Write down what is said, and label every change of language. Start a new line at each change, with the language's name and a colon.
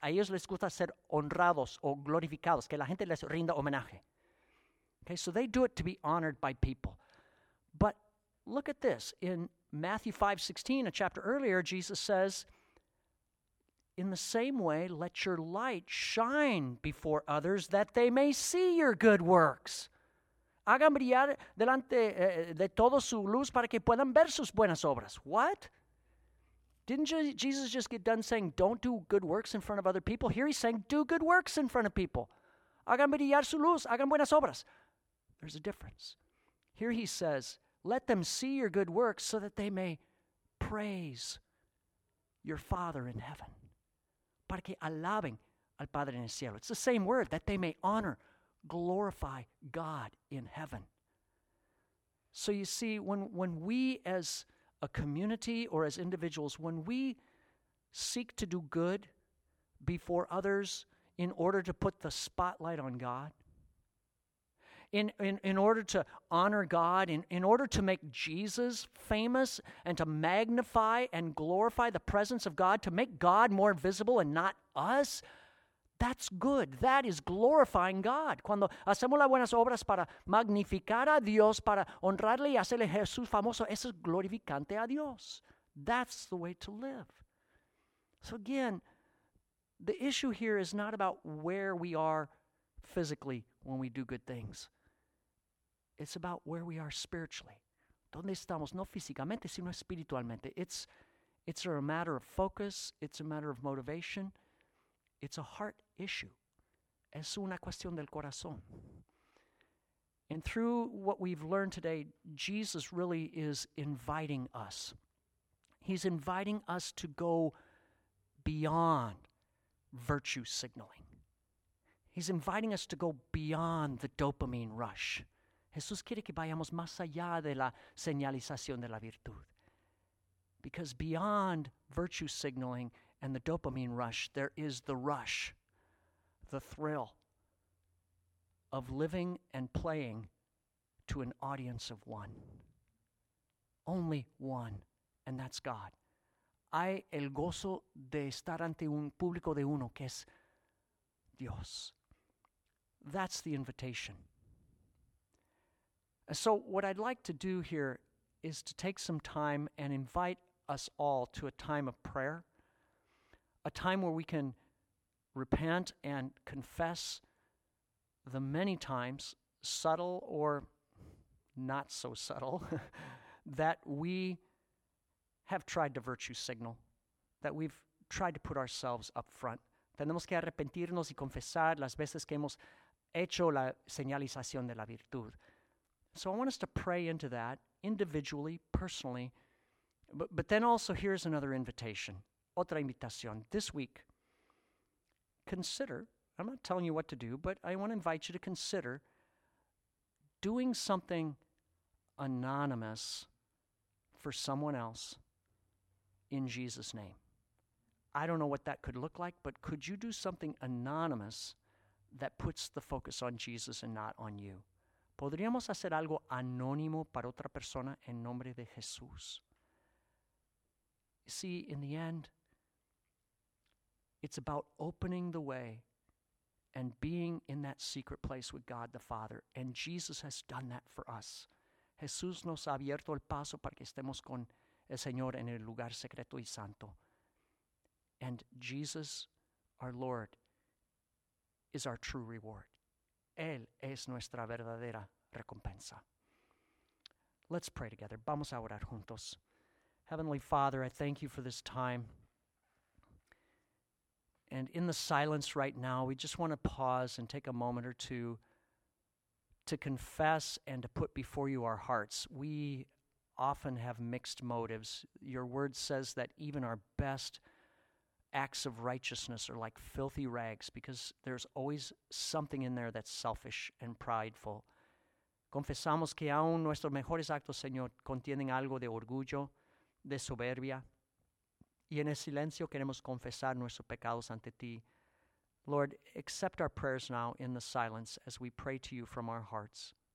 Spanish: A ellos les gusta ser honrados o glorificados, que la gente les rinda homenaje.
English: Okay, so they do it to be honored by people. But look at this. In Matthew 5:16, a chapter earlier, Jesus says, in the same way, let your light shine before others that they may see your good works.
Spanish: Hagan brillar delante de todos su luz para que puedan ver sus buenas obras.
English: What? Didn't Jesus just get done saying, don't do good works in front of other people? Here he's saying, do good works in front of people.
Spanish: Hagan brillar su luz, hagan buenas obras.
English: There's a difference. Here he says, let them see your good works so that they may praise your Father in heaven.
Spanish: Para que alaben al Padre en el cielo.
English: It's the same word, that they may honor, glorify God in heaven. So you see, when we as a community or as individuals, when we seek to do good before others in order to put the spotlight on God, In order to honor God, in order to make Jesus famous and to magnify and glorify the presence of God, to make God more visible and not us, that's good. That is glorifying God.
Spanish: Cuando hacemos las buenas obras para magnificar a Dios, para honrarle y hacerle Jesús famoso, eso es glorificante a Dios.
English: That's the way to live. So again, the issue here is not about where we are physically when we do good things. It's about where we are spiritually.
Spanish: ¿Dónde estamos? No físicamente, sino espiritualmente.
English: It's It's a matter of focus. It's a matter of motivation. It's a heart issue.
Spanish: Es una cuestión del corazón.
English: And through what we've learned today, Jesus really is inviting us. He's inviting us to go beyond virtue signaling. He's inviting us to go beyond the dopamine rush.
Spanish: Jesús quiere que vayamos más allá de la señalización de la virtud.
English: Because beyond virtue signaling and the dopamine rush, there is the rush, the thrill of living and playing to an audience of one. Only one, and that's God.
Spanish: Hay el gozo de estar ante un público de uno, que es Dios.
English: That's the invitation. So what I'd like to do here is to take some time and invite us all to a time of prayer, a time where we can repent and confess the many times, subtle or not so subtle, that we have tried to virtue signal, that we've tried to put ourselves up front.
Spanish: Tenemos que arrepentirnos y confesar las veces que hemos hecho la señalización de la virtud.
English: So I want us to pray into that individually, personally, but then also here's another invitation,
Spanish: otra invitación.
English: This week, consider, I'm not telling you what to do, but I want to invite you to consider doing something anonymous for someone else in Jesus' name. I don't know what that could look like, but could you do something anonymous that puts the focus on Jesus and not on you?
Spanish: ¿Podríamos hacer algo anónimo para otra persona en nombre de Jesús?
English: You see, in the end, it's about opening the way and being in that secret place with God the Father. And Jesus has done that for us.
Spanish: Jesús nos ha abierto el paso para que estemos con el Señor en el lugar secreto y santo.
English: And Jesus, our Lord, is our true reward.
Spanish: Él es nuestra verdadera recompensa.
English: Let's pray together.
Spanish: Vamos a orar juntos.
English: Heavenly Father, I thank you for this time. And in the silence right now, we just want to pause and take a moment or two to confess and to put before you our hearts. We often have mixed motives. Your word says that even our best acts of righteousness are like filthy rags because there's always something in there that's selfish and prideful.
Spanish: Confesamos que aún nuestros mejores actos, Señor, contienen algo de orgullo, de soberbia. Y en el silencio queremos confesar nuestros pecados ante ti.
English: Lord, accept our prayers now in the silence as we pray to you from our hearts.